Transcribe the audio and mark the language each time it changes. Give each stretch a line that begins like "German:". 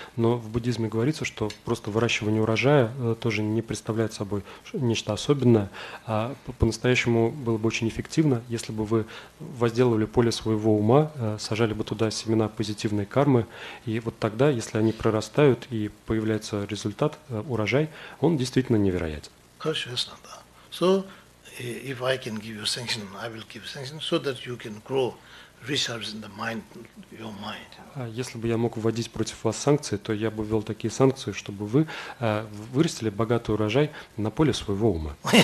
Russian: Но в буддизме говорится, что просто выращивание урожая тоже не представляет собой нечто особенное. А по-настоящему было бы очень эффективно, если бы вы возделывали поле своего ума, сажали бы туда семена позитивной кармы. И вот тогда, если они прорастают и появляется результат, урожай, он действительно невероятен. Хорошо, ясно, да.
English: If I can give you sanction, I will give sanction so that you can grow reserves in the mind, your mind.
Russian: Если бы я мог вводить против вас санкции, то я бы ввел такие санкции, чтобы вы вырастили богатый урожай на поле своего ума.